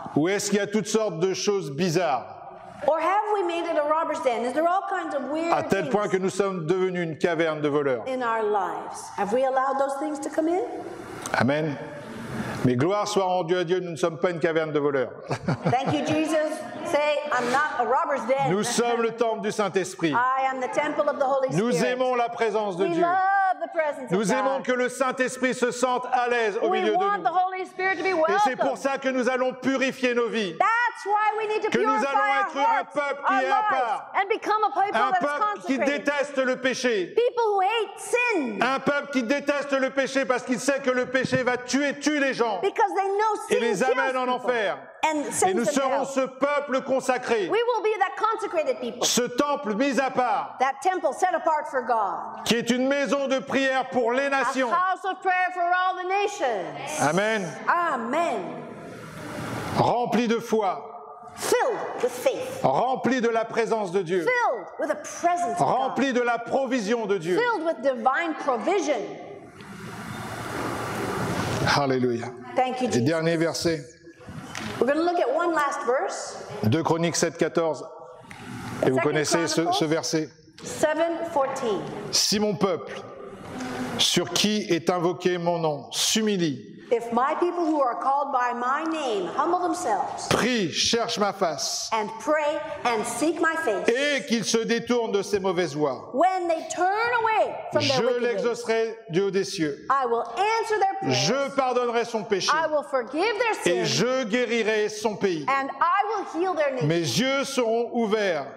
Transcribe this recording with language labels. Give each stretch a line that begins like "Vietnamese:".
French: Ou est-ce qu'il y a toutes sortes de choses bizarres?
English: Or have we made it a robber's den? Is there all kinds of weird things?
French: À tel point que nous sommes devenus une caverne de voleurs.
English: In our lives, have we allowed those things to come in? Amen.
French: Mais gloire soit rendue à Dieu, nous ne sommes pas une caverne de voleurs.
English: Thank you, Jesus. Say, I'm not a robber's den.
French: Nous sommes le temple du Saint-Esprit.
English: I am the temple of the Holy Spirit.
French: Nous aimons la présence de Dieu. Nous aimons que le Saint-Esprit se sente à l'aise au milieu de nous. Et c'est pour ça que nous allons purifier nos vies. Que nous allons être un peuple qui est à part. Un peuple qui déteste le péché. Un peuple qui déteste le péché parce qu'il sait que le péché va tuer les gens. Et les amène en enfer. Et nous serons ce peuple consacré.
English: We will be that consecrated people.
French: Ce temple mis à part.
English: That temple set apart for God.
French: Qui est une maison de prière pour les nations.
English: A house of prayer for all the nations. Amen. Amen.
French: Rempli de foi.
English: Filled with faith.
French: Rempli de la présence de Dieu.
English: Filled with the presence of God.
French: Rempli de la provision de Dieu.
English: Filled with divine provision. Hallelujah. Thank you, Jesus.
French: Et dernier verset.
English: We're going to look at one last verse.
French: 2 Chroniques 7, 14. Et
English: Second
French: vous connaissez ce verset.
English: 7, 14.
French: Si mon peuple, sur qui est invoqué mon nom, s'humilie,
English: if my people who are called by my name humble themselves,
French: prie, cherche ma face,
English: and pray and seek my face,
French: et qu'ils se détournent de ses mauvaises voies,
English: when they turn away from their
French: je l'exaucerai du haut des cieux.
English: I will answer their prayers.
French: Je pardonnerai son péché.
English: I will forgive their sins.
French: Et je guérirai son pays.
English: And I will heal their nation.
French: Mes yeux seront ouverts.